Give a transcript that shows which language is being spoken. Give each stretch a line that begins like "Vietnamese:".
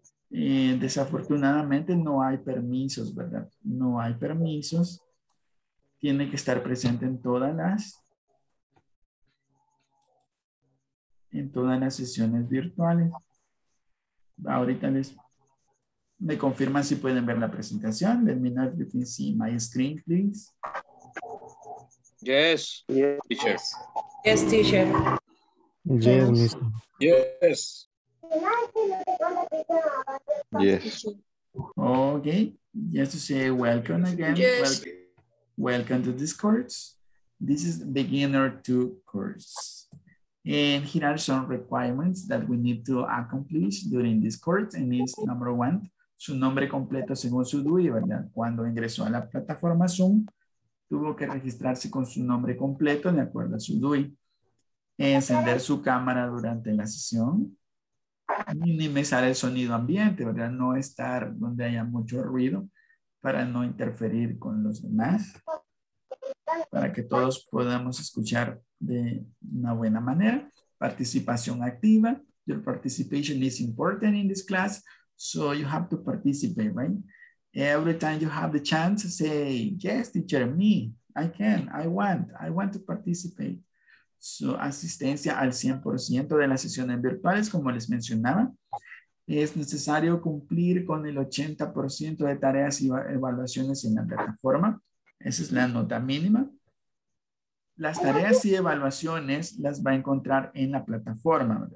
Spanish: Desafortunadamente no hay permisos, ¿verdad? No hay permisos. Tiene que estar presente en todas las sesiones virtuales. Ahorita les me confirman si pueden ver la presentación.
English: Let me know if you can see my screen, please. Yes, yes, teacher. Yes, teacher. Yes, mister. Yes. Yes. Okay. Yes, to say welcome again. Yes. Welcome to this course. This is the beginner to course. And here are some requirements that we need to accomplish during this course. And it's number one,
Spanish: su nombre completo según su DUI, ¿verdad? Cuando ingresó a la plataforma Zoom, tuvo que registrarse con su nombre completo de acuerdo a su DUI. Encender su cámara durante la sesión. Minimizar el sonido ambiente, ¿verdad? No estar donde haya mucho ruido para no interferir con los demás, para que todos podamos escuchar de una buena manera. Participación activa.
English: Your participation is important in this class, so you have to participate, right? Every time you have the chance, say, yes, teacher, me, I can, I want to participate.
Spanish: Su asistencia al 100% de las sesiones virtuales, como les mencionaba. Es necesario cumplir con el 80% de tareas y evaluaciones en la plataforma. Esa es la nota mínima. Las tareas y evaluaciones las va a encontrar en la plataforma.